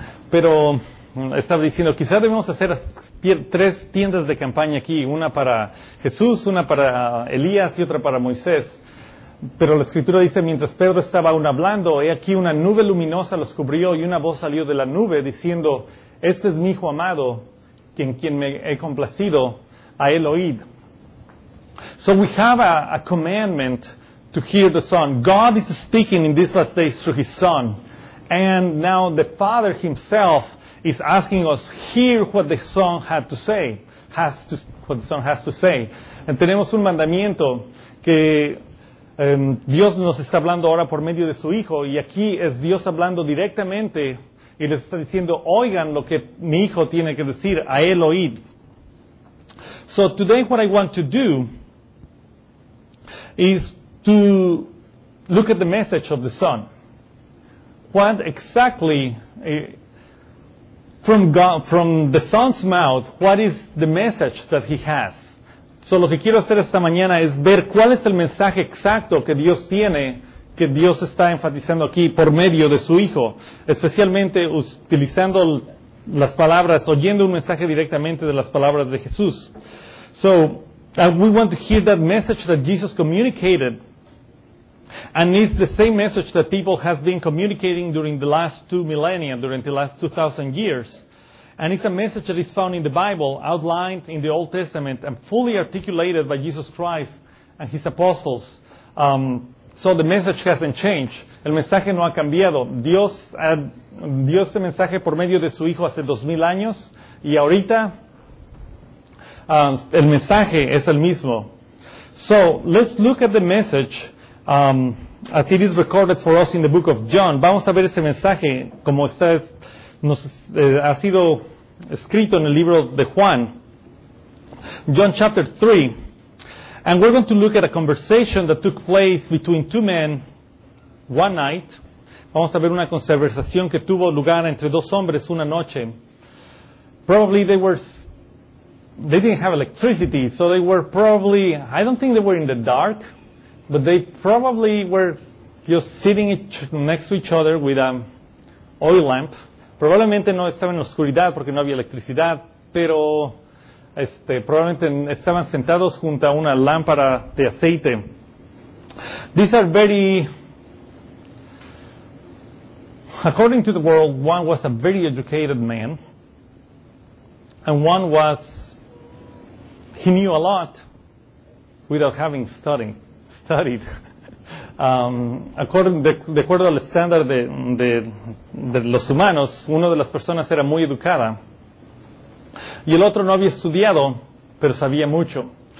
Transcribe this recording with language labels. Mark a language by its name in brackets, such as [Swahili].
[Spanish] Pero estaba diciendo, quizá debemos hacer 3 tiendas de campaña aquí, una para Jesús, una para Elías y otra para Moisés. Pero la escritura dice, mientras Pedro estaba aún hablando, he aquí una nube luminosa los cubrió y una voz salió de la nube diciendo, este es mi hijo amado, en quien me he complacido, a él oíd. [English] So we have a commandment to hear the Son. God is speaking in these last days through his Son. And now the Father himself is asking us, hear what the Son has to say. [Spanish] And tenemos un mandamiento que Dios nos está hablando ahora por medio de su Hijo, y aquí es Dios hablando directamente y les está diciendo, oigan lo que mi Hijo tiene que decir, a él oíd. [English] So today what I want to do is to look at the message of the Son. What exactly, from God, from the Son's mouth, what is the message that he has? [Spanish] So, lo que quiero hacer esta mañana es ver cuál es el mensaje exacto que Dios tiene, que Dios está enfatizando aquí por medio de su Hijo, especialmente utilizando las palabras, oyendo un mensaje directamente de las palabras de Jesús. [English] So, we want to hear that message that Jesus communicated, and it's the same message that people have been communicating during the last 2 millennia, during the last 2,000 years. And it's a message that is found in the Bible, outlined in the Old Testament, and fully articulated by Jesus Christ and his apostles. So the message hasn't changed. [Spanish] El mensaje no ha cambiado. Dios dio este mensaje por medio de su Hijo hace 2,000 años, y ahorita el mensaje es el mismo. [English] So let's look at the message as it is recorded for us in the book of John. [Spanish] Vamos a ver ese mensaje como está, ha sido escrito en el libro de Juan. [English] John chapter 3. And we're going to look at a conversation that took place between two men one night. [Spanish] Vamos a ver una conversación que tuvo lugar entre dos hombres una noche. [English] Probably they didn't have electricity, so they were probably, I don't think they were in the dark, but they probably were just sitting next to each other with an oil lamp. [Spanish] Probablemente no estaban en oscuridad porque no había electricidad, pero probablemente estaban sentados junto a una lámpara de aceite. [English] These are very, according to the world, one was a very educated man, and one was, he knew a lot without having studied. [Spanish] De acuerdo al estándar de los humanos, una de las personas era muy educada y el otro no había estudiado, pero sabía mucho.